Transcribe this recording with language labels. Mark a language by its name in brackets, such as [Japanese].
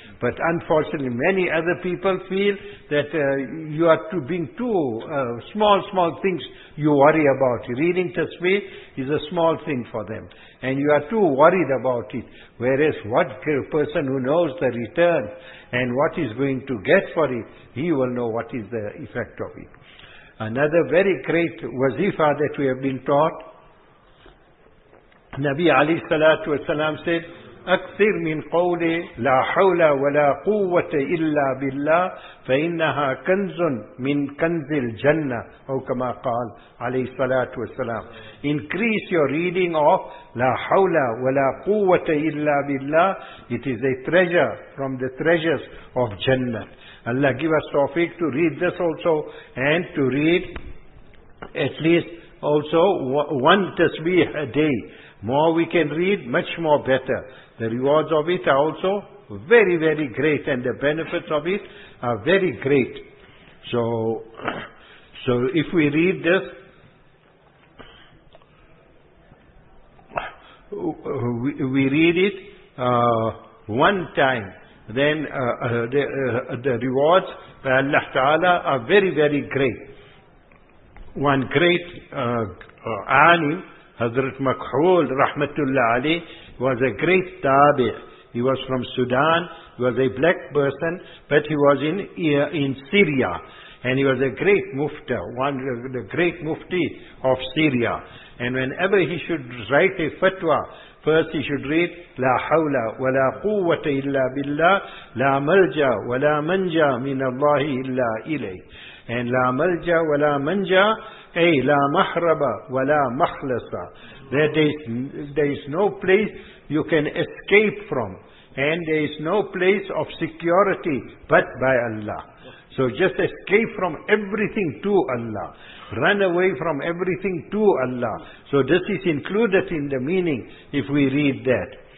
[English] But unfortunately, many other people feel that you are too being too small things you worry about. Reading tasbih is a small thing for them. And you are too worried about it. Whereas what person who knows the return and what he's going to get for it, he will know what is the effect of it. Another very great wazifa that we have been taught, Nabi alayhi salatu wasalam said, [Arabic] أكثر من قولي لا حول ولا قوة إلا بالله فإنها كنز من كنز الجنة أو كما قال عليه الصلاة والسلام. [English] Increase your reading of [Arabic] لا حول ولا قوة إلا بالله. [English] It is a treasure from the treasures of Jannah. Allah give us tawfiq to read this also and to read at least also one tasbih a day. More we can read, much more better. The rewards of it are also very, very great, and the benefits of it are very great. So if we read this, we read it one time, then the rewards by Allah Ta'ala are very, very great. One great alim, Hazrat Makhool, Rahmatullah Ali, was a great tabi. He was from Sudan, he was a black person, but he was in Syria. And he was a great mufti, the great mufti of Syria. And whenever he should write a fatwa, first he should read, [Arabic] لا حول ولا قوة إلا بالله لا ملجا ولا منجا من الله إلا إليه. And لا ملجا ولا منجا أي لا محربا ولا مخلصا. [English] There is no place you can escape from, and there is no place of security but by Allah. So just escape from everything to Allah. Run away from everything to Allah. So this is included in the meaning if we read that.